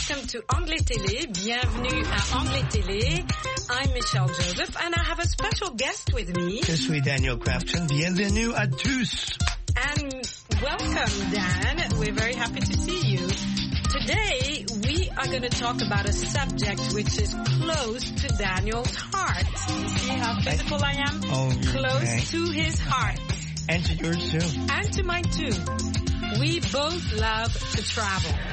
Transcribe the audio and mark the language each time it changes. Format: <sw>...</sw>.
<fr>To Anglais Télé, bienvenue à Anglais Télé.</fr> <en>I'm Michelle Joseph and I have a special guest with me.</en> <fr>Je suis Daniel Crafton, bienvenue à tous.</fr> <en>And welcome, Dan. We're very happy to see you. Today, we are going to talk about a subject which is close to Daniel's heart. See how physical I am? To his heart. And to yours too. And to mine too. We both love to travel.</en>